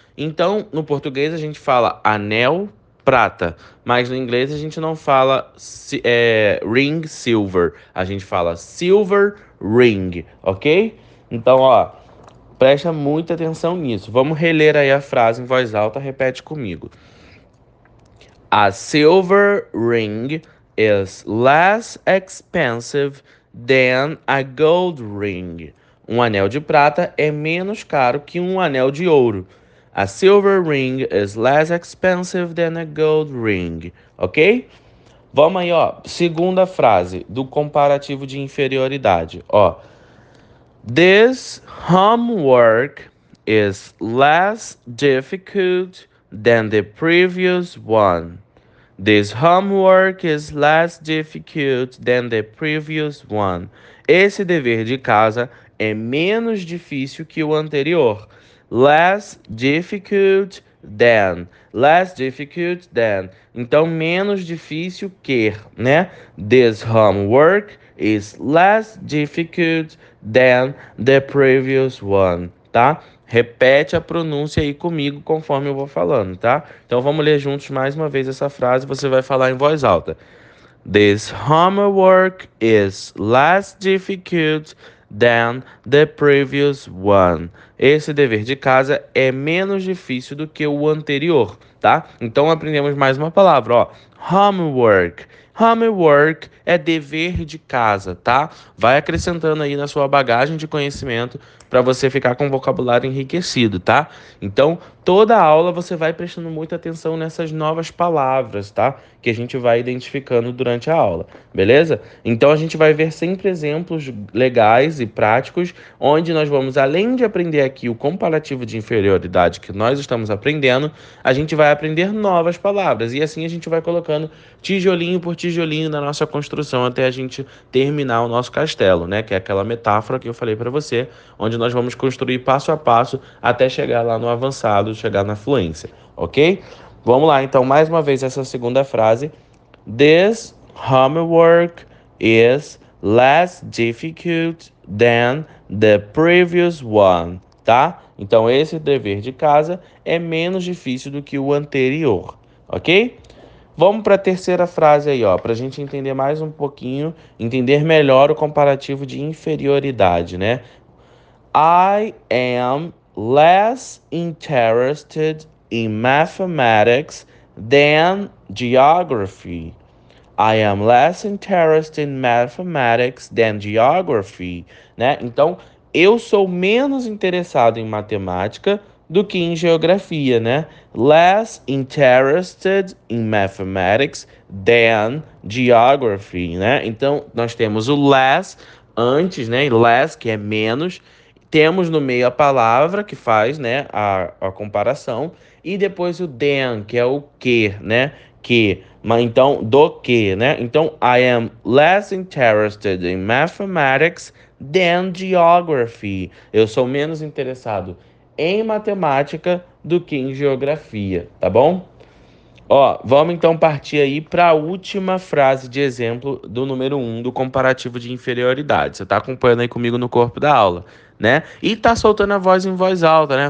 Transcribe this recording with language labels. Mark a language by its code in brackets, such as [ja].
[pt] Então, no português a gente fala anel prata, mas no inglês a gente não fala ring silver, a gente fala silver ring, ok? Então, ó, presta muita atenção nisso. Vamos reler aí a frase em voz alta, repete comigo. [en] A silver ring is less expensive than a gold ring. [pt] Um anel de prata é menos caro que um anel de ouro. [en] A silver ring is less expensive than a gold ring. [pt] Ok? Vamos aí, ó. Segunda frase do comparativo de inferioridade. Ó. [en] This homework is less difficult than the previous one. This homework is less difficult than the previous one. [pt] Esse dever de casa é menos difícil que o anterior. [en] Less difficult than. Less difficult than. [pt] Então, menos difícil que, né? [en] This homework is less difficult than the previous one. Tá? [pt] Repete a pronúncia aí comigo conforme eu vou falando, tá? Então vamos ler juntos mais uma vez essa frase, você vai falar em voz alta. [en] This homework is less difficult than the previous one. [pt] Esse dever de casa é menos difícil do que o anterior, tá? Então aprendemos mais uma palavra, ó. Homework. Homework é dever de casa, tá? Vai acrescentando aí na sua bagagem de conhecimento para você ficar com o vocabulário enriquecido, tá? Então, toda aula você vai prestando muita atenção nessas novas palavras, tá? Que a gente vai identificando durante a aula, beleza? Então, a gente vai ver sempre exemplos legais e práticos, onde nós vamos, além de aprender aqui o comparativo de inferioridade que nós estamos aprendendo, a gente vai aprender novas palavras. E assim a gente vai colocando tijolinho por tijolinho na nossa construção até a gente terminar o nosso castelo, né? Que é aquela metáfora que eu falei para você, onde nós vamos construir passo a passo até chegar lá no avançado, chegar na fluência, ok? Vamos lá, então, mais uma vez essa segunda frase. [en] This homework is less difficult than the previous one, tá? [pt] Então, esse dever de casa é menos difícil do que o anterior, ok? Vamos para a terceira frase aí, ó, para a gente entender mais um pouquinho, entender melhor o comparativo de inferioridade, né? [en] I am less interested in mathematics than geography. I am less interested in mathematics than geography, né? [pt] Então, eu sou menos interessado em matemática do que em geografia, né? [en] Less interested in mathematics than geography, né? [pt] Então, nós temos o less antes, né? Less, que é menos. Temos no meio a palavra que faz, né, a comparação. E depois o than, que é o que, né? Que. Mas então, do que, né? [en] Então, I am less interested in mathematics than geography. [pt] Eu sou menos interessado em matemática do que em geografia, tá bom? Ó, vamos então partir aí para a última frase de exemplo do número 1 do comparativo de inferioridade. Você está acompanhando aí comigo no corpo da aula, né? E tá soltando a voz em voz alta, né?